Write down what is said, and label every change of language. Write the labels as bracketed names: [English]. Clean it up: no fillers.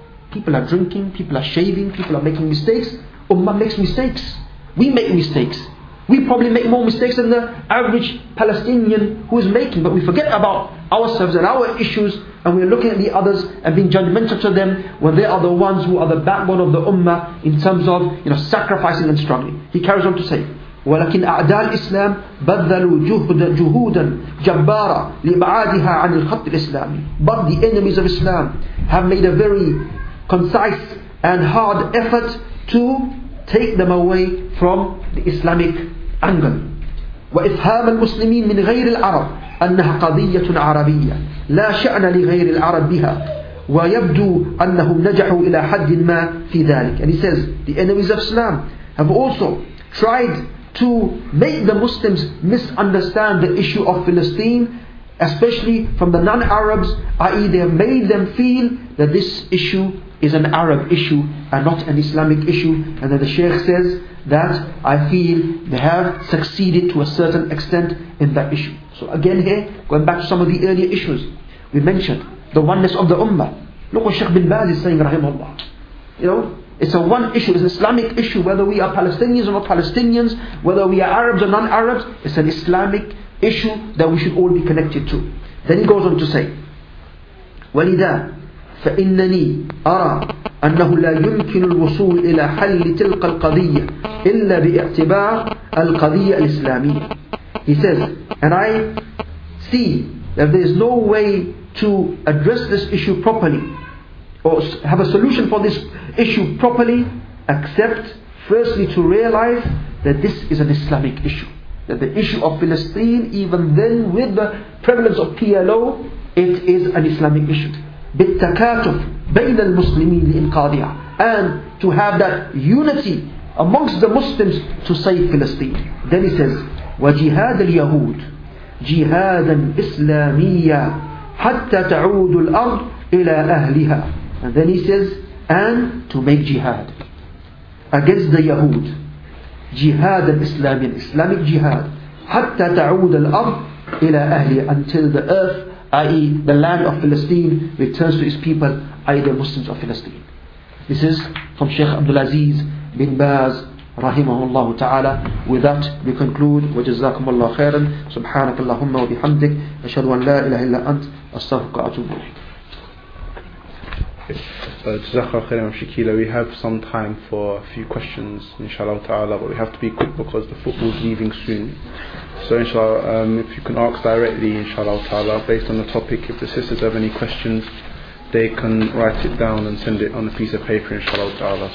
[English] People are drinking, people are shaving, people are making mistakes. Ummah makes mistakes. We make mistakes. We probably make more mistakes than the average Palestinian who is making, but we forget about ourselves and our issues, and we are looking at the others and being judgmental to them when they are the ones who are the backbone of the Ummah in terms of, you know, sacrificing and struggling. He carries on to say, [Arabic] ولكن أعداء الإسلام بذلوا جهودا جبارة لإبعادها عن الخط الإسلامي. [English] But the enemies of Islam have made a very concise and hard effort to take them away from the Islamic angle. [Arabic] وإفهام المسلمين من غير العرب أنها قضية عربية لا شأن لغير العرب بها ويبدو أنهم نجحوا إلى حد ما في ذلك. [English] And he says the enemies of Islam have also tried to make the Muslims misunderstand the issue of Palestine, especially from the non-Arabs, i.e. they have made them feel that this issue is an Arab issue and not an Islamic issue. And then the Sheikh says that I feel they have succeeded to a certain extent in that issue. So again here, going back to some of the earlier issues, we mentioned the oneness of the Ummah. Look what Sheikh bin Baz is saying, rahimahullah. You know, it's a one issue, it's an Islamic issue, whether we are Palestinians or not Palestinians, whether we are Arabs or non-Arabs, it's an Islamic issue that we should all be connected to. Then he goes on to say, [Arabic] وَلِذَا فَإِنَّنِي أَرَى أَنَّهُ لَا يُمْكِنُ الْوُصُولِ إِلَى حَلِّ تِلْقَ الْقَضِيَّةِ إِلَّا بِإِعْتِبَارِ الْقَضِيَّةِ الْإِسْلَامِيَةِ. [English] He says, and I see that there is no way to address this issue properly or have a solution for this issue properly except firstly to realize that this is an Islamic issue. That the issue of Palestine, even then with the prevalence of PLO, it is an Islamic issue. [Arabic] بِالتَّكَاتُفْ بَيْنَ الْمُسْلِمِينَ لِإِنْقَاذِهَا, [English] and to have that unity amongst the Muslims to save Palestine. Then he says, [Arabic] وَجِهَادَ الْيَهُودِ جِهَادًا إِسْلَامِيًّا حَتَّى تَعُودُ الْأَرْضِ إِلَىٰ أَهْلِهَا. [English] And then he says, and to make jihad against the Yahud, jihad al-Islami, Islamic jihad, [Arabic] حتى تعود الأرض إلى أهلها, [English] until the earth, i.e. the land of Palestine, returns to its people, i.e. the Muslims of Palestine. This is from Sheikh Abdul Aziz bin Baz [Arabic] رحمه الله تعالى. [English] With that we conclude. [Arabic] وجزاكم الله خيرا. سبحانك اللهم وبحمدك, أشهد أن لا إله إلا أنت, أستغفرك وأتوب إليك. [English] JazakAllah khairan, Shakila. We have some time for a few questions, inshallah ta'ala, but we have to be quick because the football is leaving soon. So inshallah, if you can ask directly, inshallah ta'ala, based on the topic, if the sisters have any questions, they can write it down and send it on a piece of paper, inshallah ta'ala.